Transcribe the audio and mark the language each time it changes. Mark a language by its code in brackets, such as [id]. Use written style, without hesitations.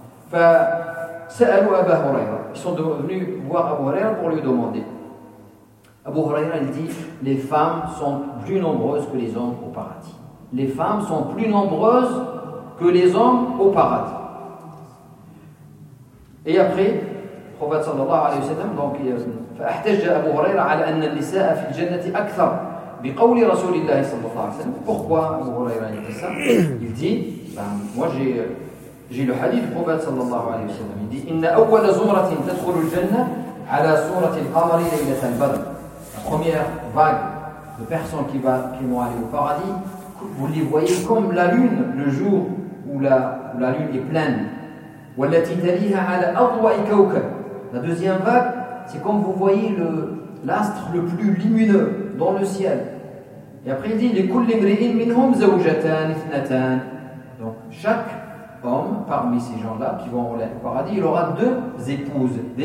[ar] Fa sa'alu [fr] Abu Huraira. Ils sont venus voir Abu Huraira pour lui demander. Abu Huraira, il dit, les femmes sont plus nombreuses que les hommes au paradis. Les femmes sont plus nombreuses que les hommes au paradis. Et après, le prophète sallallahu alayhi wa sallam, donc, [ar] فأحتج أبو هريرة على أن النساء في الجنة أكثر بقول رسول الله صلى الله عليه وسلم. [fr] Pourquoi Abu Huraira dit ça? Il dit, ben, moi j'ai le hadith du prophète صلى الله عليه وسلم. [ar] Il dit, إن أول زمرة تدخل الجنة على سورة القمر ليلة البدر. [fr] La première vague de personnes qui vont aller au paradis, vous les voyez comme la lune le jour où la lune est pleine. [ar] والتي تليها على أضواء كوكب. [fr] La deuxième vague, c'est comme vous voyez l'astre le plus lumineux dans le ciel. Et après il dit, les [ar] kullimri'in minhum zawjatan ithnatan. [fr] Donc chaque homme parmi ces gens-là qui vont au paradis, il aura deux épouses.